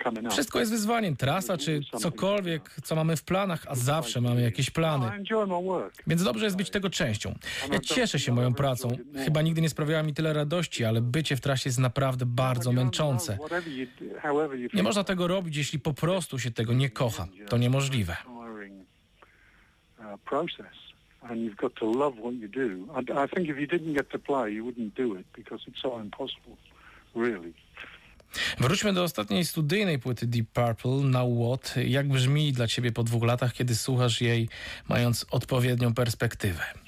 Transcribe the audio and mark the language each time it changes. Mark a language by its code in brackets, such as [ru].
[pl] Wszystko jest wyzwaniem, trasa czy cokolwiek, co mamy w planach, a zawsze mamy jakieś plany. Więc dobrze jest być tego częścią. Ja cieszę się moją pracą. Chyba nigdy nie sprawiała mi tyle radości, ale bycie w trasie jest naprawdę bardzo męczące. Nie można tego robić, jeśli po prostu się tego nie kocha. To niemożliwe. [en] Process and you've got to love what you do. And I think if you didn't get to play, you wouldn't do it because it's so impossible, really. [pl] Wróćmy do ostatniej studyjnej płyty Deep Purple, Now What. Jak brzmi dla ciebie po dwóch latach, kiedy słuchasz jej, mając odpowiednią perspektywę?